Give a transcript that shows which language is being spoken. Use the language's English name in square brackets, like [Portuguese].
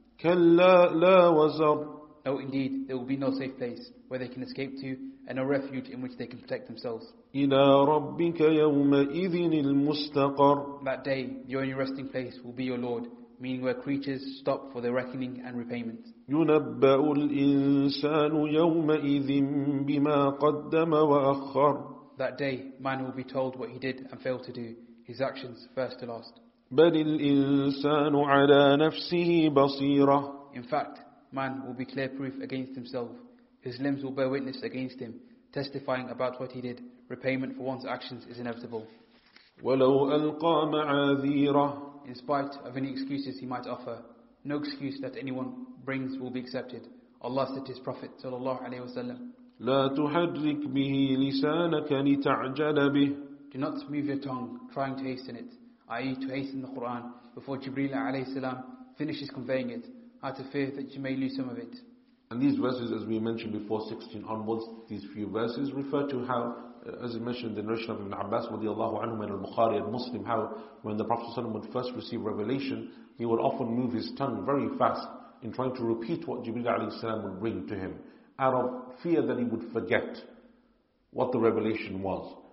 [Arabic] كلا لا وزر. [English] No, indeed, there will be no safe place where they can escape to, and no refuge in which they can protect themselves. [Arabic] إلى ربك يومئذ المستقر. [English] That day, the only resting place will be your Lord, meaning where creatures stop for their reckoning and repayment. [Arabic] ينبأ الإنسان يومئذ بما قدم وأخر. [English] That day, man will be told what he did and failed to do, his actions first to last. [Arabic] بل الإنسان على نفسه بصيرة. [English] In fact, man will be clear proof against himself. His limbs will bear witness against him, testifying about what he did. Repayment for one's actions is inevitable. [Arabic] ولو ألقى معاذيره. [English] In spite of any excuses he might offer, no excuse that anyone brings will be accepted. Allah said to his Prophet [Arabic] صلى الله عليه وسلم, لا تحرك به لسانك لتعجل به. [English] Do not move your tongue trying to hasten it, i.e. to hasten the Qur'an before Jibreel alayhi salam finishes conveying it, out of fear that you may lose some of it. And these verses, as we mentioned before, 16 onwards, these few verses refer to how, as we mentioned in the narration of Ibn Abbas radiallahu anhu and al-Bukhari and Muslim, how when the Prophet ﷺ would first receive revelation, he would often move his tongue very fast in trying to repeat what Jibreel alayhi salam would bring to him, out of fear that he would forget what the revelation was.